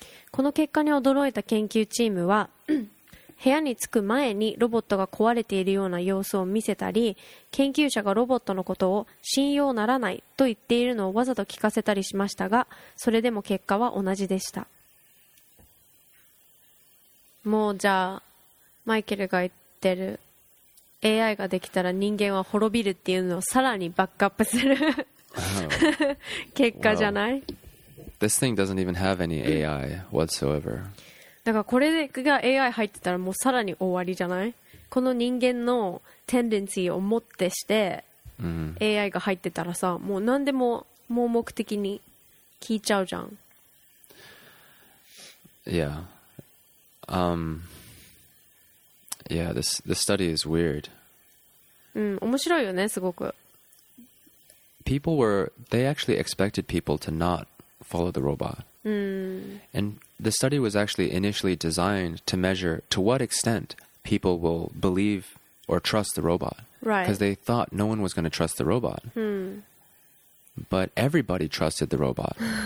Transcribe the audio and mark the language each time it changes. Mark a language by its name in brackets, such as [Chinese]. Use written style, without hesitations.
[Japanese] この結果に驚いた研究チームは、部屋に着く前にロボットが壊れているような様子を見せたり、研究者がロボットのことを信用ならないと言っているのをわざと聞かせたりしましたが、それでも結果は同じでした。もうじゃあマイケルが言ってる AI ができたら人間は滅びるっていうのをさらにバックアップする結果じゃない、 [English] well, This thing doesn't even have any AI whatsoever. [Japanese] だからこれが AI 入ってたらもうさらに終わりじゃない。この人間のテンデンシーをもってして AI が入ってたらさ、もう何でも盲目的に聞いちゃうじゃん。 [English] Yeahyeah, this study is weird. [Japanese] うん、面白いよね、すごく。 [English] They actually expected people to not follow the robot. And the study was actually initially designed to measure to what extent people will believe or trust the robot. Right. Because they thought no one was going to trust the robot. But everybody trusted the robot.